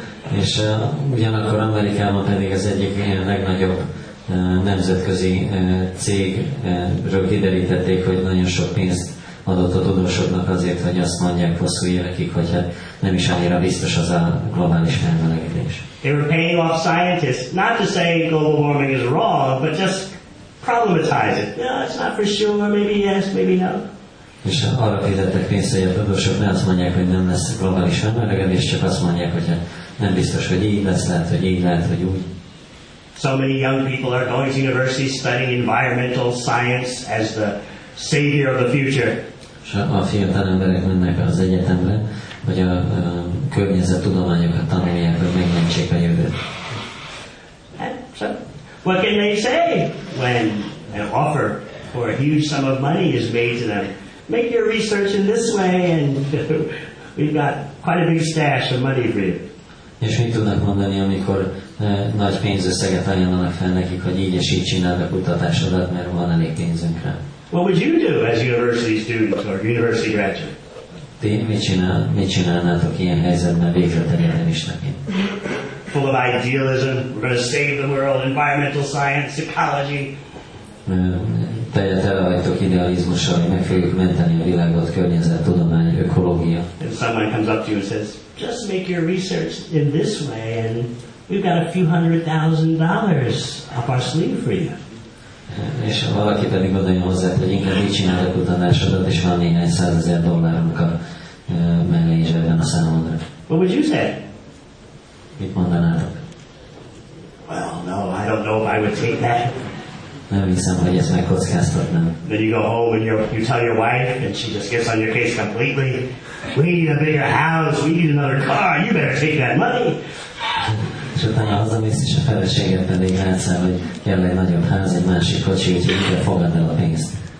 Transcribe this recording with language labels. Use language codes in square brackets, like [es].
[hu] És ugyanakkor Amerikában pedig az egyik legnagyobb nemzetközi cégről kiderítették, hogy nagyon sok pénzt adott a tudósoknak azért, hogy azt mondják hosszú évekig, hogy hát nem is annyira biztos az a globális felmelegedés. [en] They were paying off scientists, not to say global warming is wrong, but just problematize it. No, it's not for sure, maybe yes, maybe no. [hu] És arra fizettek pénzt, hogy a tudósok ne azt mondják, hogy nem lesz globális felmelegedés, csak azt mondják, hogy hát nem biztos, hogy így lesz, lehet, hogy így lehet, hogy úgy. [en] So many young people are going to university studying environmental science as the savior of the future. [hu] A fiatal emberek mennek az egyetemre, hogy a környezettudományokat tanulják, hogy megmentsék a jövőt. [en] So, what can they say when an offer for a huge sum of money is made to them? Make your research in this way and we've got quite a big stash of money for you. [hu] És mit tudnak mondani, amikor nagy pénzösszeget ajánlanak fel nekik, hogy így és így csináld a kutatásodat, mert van elég pénzünk rá? [en] What would you do as university student or university graduate? [hu] Ti mit csinálnátok ilyen helyzetben végzett egyetemistaként? [en] Full of idealism, we're going to save the world, environmental science, ecology. [hu] Tehát tele vagytok idealizmussal, hogy meg fogjuk menteni a világot, környezet, tudomány, ökológia. [en] And someone comes up to you and says, just make your research in this way and we've got a few hundred thousand dollars up our sleeve for you. [hu] És valaki pedig gondolja hozzá, hogy inkább így csinál a kutatásodat, és van néhány százezer dollárunk a mellényzsebben a számodra. [en] What would you say? [hu] Mit mondanátok? [en] Well, no, I don't know if I would take that. [hu] Nem hiszem, hogy ezt megkockáztatnám. [en] Then you go home and you tell your wife and she just gets on your case completely. We need a bigger house, we need another car, you better take that money. [hu] És utána hazamész és a feleséged pedig rátszál, hogy kell egy nagyobb ház, egy másik kocsi, úgyhogy mikor fogad el a pénzt.